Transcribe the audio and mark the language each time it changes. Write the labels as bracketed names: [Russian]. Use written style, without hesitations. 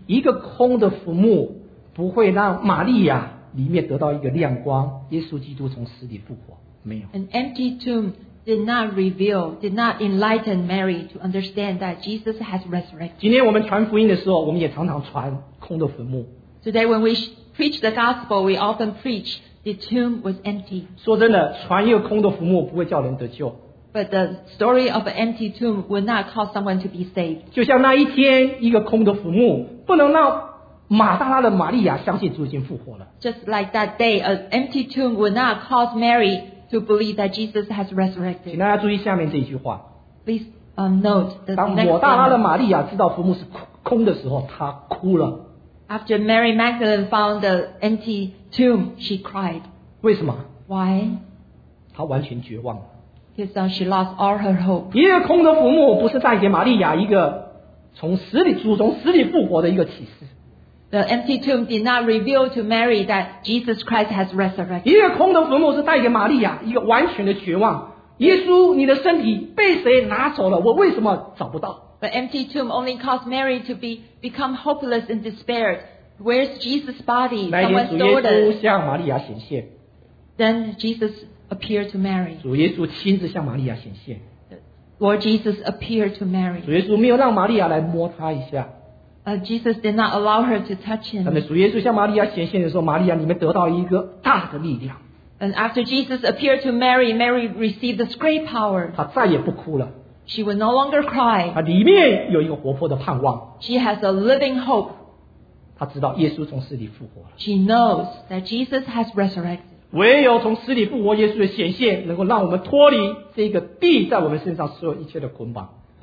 [Chinese] 一个空的坟墓不会让玛利亚里面得到一个亮光耶稣基督从死里复活没有。 [English] An empty tomb did not reveal, did not enlighten Mary to understand that Jesus has resurrected. [Chinese] 今天我们传福音的时候，我们也常常传空的坟墓。 [English] Today when we preach the gospel, we often preach the tomb was empty. [Chinese] 说真的，传一个空的坟墓不会叫人得救。 [English] But the story of an empty tomb would not cause someone to be saved. [Chinese] 就像那一天，一个空的坟墓不能让马大拉的玛利亚相信主已经复活了。 [English] Just like that day, an empty tomb would not cause Mary to believe that Jesus has resurrected. [Chinese] 请大家注意下面这一句话。 [English] Please note the next one. [Chinese] 当抹大拉的玛利亚知道坟墓是空的时候，她哭了。 [English] After Mary Magdalene found the empty tomb, she cried. [Chinese] 为什么？ [English] Why? [Chinese] 她完全绝望了。 [English] Because she lost all her hope. [Chinese] 一个空的坟墓不是代表玛利亚一个从死里主从死里复活的一个启示。 [English] The empty tomb did not reveal to Mary that Jesus Christ has resurrected. [Chinese] 一个空的坟墓是代表玛利亚一个完全的绝望。耶稣，你的身体被谁拿走了？我为什么找不到？ [English] The empty tomb only caused Mary to become hopeless and despaired. Where's Jesus' body? Someone stole it. [Chinese] 主耶稣向玛利亚显现。 [English] Then Jesus appeared to Mary. [Chinese] 主耶稣亲自向玛利亚显现。 [English] Lord Jesus appeared to Mary. [Chinese] 主耶稣没有让玛利亚来摸他一下。 [English] Jesus did not allow her to touch him. [Chinese] 但是主耶稣向玛利亚显现的时候，玛利亚，你们得到一个大的力量。 [English] And after Jesus appeared to Mary, Mary received this great power. [Chinese] 她再也不哭了。 [English] She would no longer cry. [Chinese] 她里面有一个活泼的盼望。 [English] She has a living hope. [Chinese] 她知道耶稣从死里复活了。 [English] She knows that Jesus has resurrected. [Chinese] 唯有从死里复活耶稣的显现能够让我们脱离这个地在我们身上所有一切的捆绑。